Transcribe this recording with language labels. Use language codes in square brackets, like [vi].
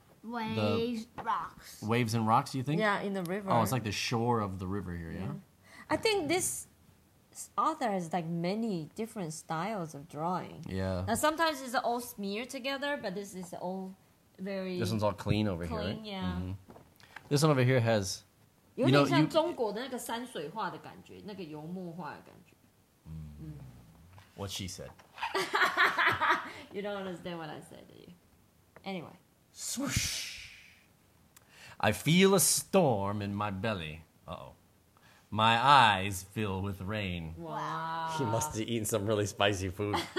[en] Waves, rocks. Waves and rocks, you think? Yeah, in the river. Oh, it's like the shore of the river here, yeah? I think this author has like many different styles of drawing. Yeah. Now, sometimes it's all smeared together, but this is all very... This one's all clean over clean, here, right? Yeah. Mm-hmm. This one over here has... [zh] 有点像中国的那个山水画的感觉，那个油墨画的感觉。 [en] What she said. You don't understand what I said, do you? Anyway. Swoosh. I feel a storm in my belly. Uh-oh. My eyes fill with rain. Wow. He must have eaten some really spicy food.